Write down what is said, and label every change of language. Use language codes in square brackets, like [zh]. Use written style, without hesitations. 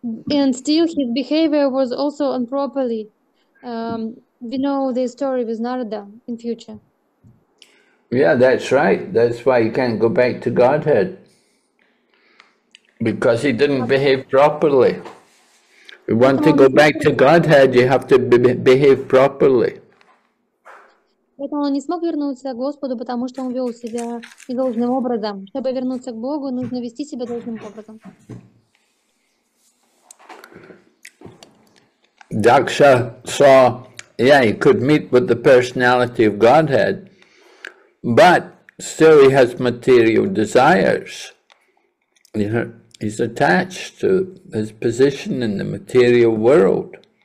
[en] And still his behavior was also improperly. We know the story with Narada in future. Yeah, that's right. That's why he can't go back to Godhead. Because he didn't behave properly. If you want to go back to Godhead, you have to behave properly. [ru] Поэтому он не смог вернуться к Господу, потому что он вел себя недолжным образом. Чтобы вернуться к Богу, нужно вести себя должным образом. [en] Daksha saw, yeah, he could meet with the personality of Godhead, but still he has material desires. He's attached to his position in the material world.